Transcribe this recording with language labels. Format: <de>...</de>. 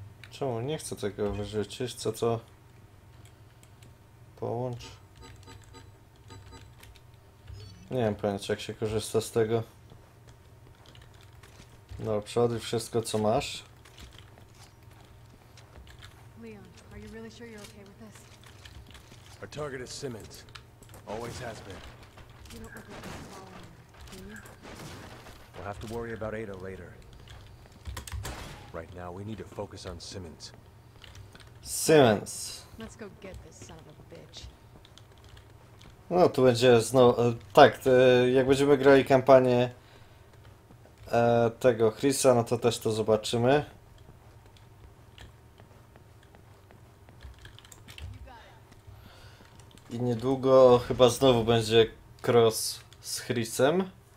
<pl>Czemu nie chcę tego wyrzucić? Co to? Połącz. Nie wiem pojęcia, jak się korzysta z tego. No, przeładuj wszystko, co masz.</pl> <en>Leon, are you really sure you're okay with this? Our target is Simmons. Always has been. You don't look like he's following you, do you? We'll have to worry about Ada later. Right now, we need to focus on Simmons. Simmons. Let's go get this son of a bitch.</en> <pl>No, tu będzie znowu... Tak, jak będziemy grali kampanię tego Chrisa, no to też to zobaczymy. I niedługo chyba znowu będzie cross z Chrisem.</pl>